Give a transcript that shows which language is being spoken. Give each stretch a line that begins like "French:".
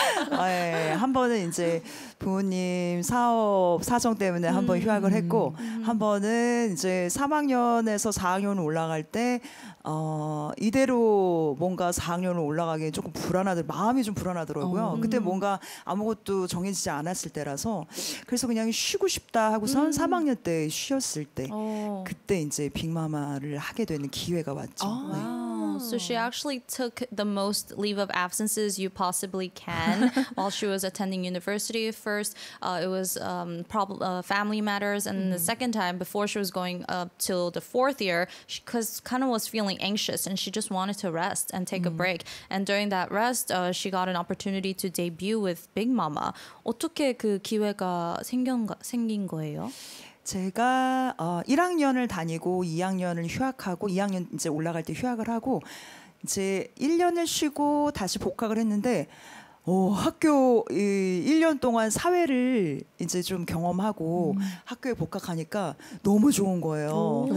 Korean: 네, 한 번은 이제 부모님 사업 사정 때문에 한번 휴학을 했고 한 번은 이제 3학년에서 4학년 올라갈 때 이대로 뭔가 4학년을 올라가기 조금 불안하더라고요. 마음이 좀 불안하더라고요. 그때 뭔가 아무것도 정해지지 않았을 때라서 그래서 그냥 쉬고 싶다 하고선 3학년 때 쉬었을 때 그때 이제 빅마마를 하게 되는 기회가 왔죠. 아, 네.
English: So she actually took the most leave of absences you possibly can while she was attending university. First, it was family matters. And the second time, before she was going up till the fourth year, she kind of was feeling anxious and she just wanted to rest and take a break. And during that rest, she got an opportunity to debut with Big Mama.
Korean: 어떻게 그 기회가 생긴 거예요? 제가 1학년을 다니고 2학년을 휴학하고 2학년 이제 올라갈 때 휴학을 하고 이제 1년을 쉬고 다시 복학을 했는데 학교 이 1년 동안 사회를 이제 좀 경험하고 학교에 복학하니까 너무 좋은 거예요.